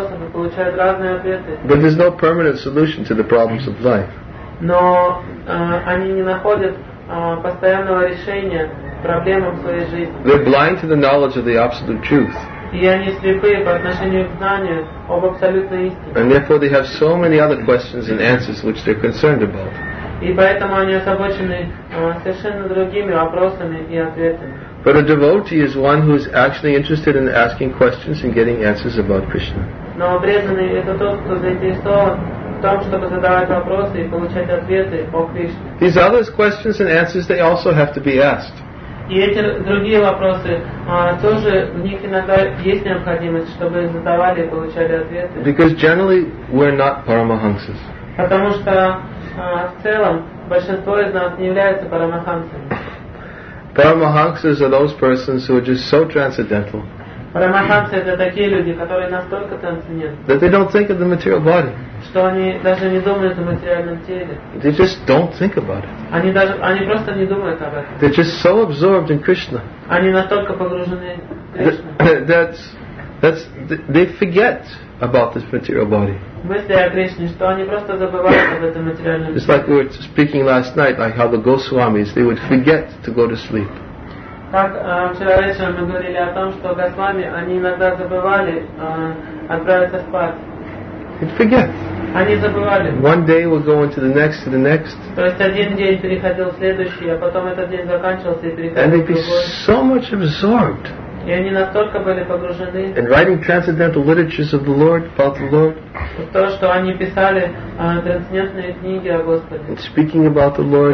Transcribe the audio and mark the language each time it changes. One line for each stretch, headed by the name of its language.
English: But there's no permanent solution to the problems of life. They're blind to the knowledge of the absolute truth.
Russian: И они слепые по отношению к знанию об абсолютной истине.
English: And therefore they have so many other questions and answers which they're concerned about.
Russian: И поэтому они озабочены совершенно другими вопросами и ответами.
English: But a devotee is one who is actually interested in asking questions and getting answers about Krishna.
Russian: Но преданный это тот, кто заинтересован в том, чтобы задавать вопросы и получать ответы о Кришне.
English: These other questions and answers they also have to be asked.
Russian: И эти другие вопросы тоже в них иногда есть необходимость, чтобы задавали и получали ответы.
English: Because generally we're not paramahansas.
Russian: Потому что в целом большинство из нас не являются парамахансами.
English: Paramahansas are those persons who are just so transcendental.
Russian: Парамахансы это такие люди, которые настолько трансцендентны.
English: That they don't think of the material body.
Russian: Что они даже не думают о материальном теле.
English: They just don't think about it.
Russian: Они просто не думают об этом.
English: They're just so absorbed in Krishna.
Russian: Они настолько погружены в Кришну.
English: They forget about this material body.
Russian: Мысли о Кришне, что они просто забывают об этом материальном теле.
English: It's like we were speaking last night, like how the Goswamis, they would forget to go to sleep.
Russian: Так вчера вечером мы говорили о том, что Госвами, они иногда забывали отправиться спать.
English: It forgets.
Russian: Они забывали.
English: One day we'll go into the next to the next.
Russian: То есть один день переходил в следующий, а потом этот день заканчивался и переходил в
English: be so much absorbed.
Russian: И они настолько были погружены.
English: In writing transcendental literatures of the Lord, about the Lord.
Russian: То, что они писали трансцендентные книги о Господе.
English: And speaking about the Lord.